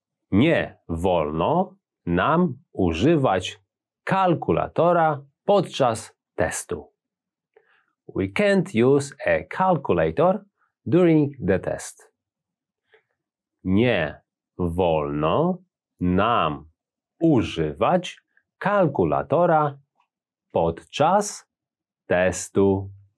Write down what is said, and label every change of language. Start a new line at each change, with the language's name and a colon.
Polish: Nie wolno nam używać kalkulatora podczas testu.
English: We can't use a calculator during the test.
Polish: Nie wolno nam używać kalkulatora podczas testu.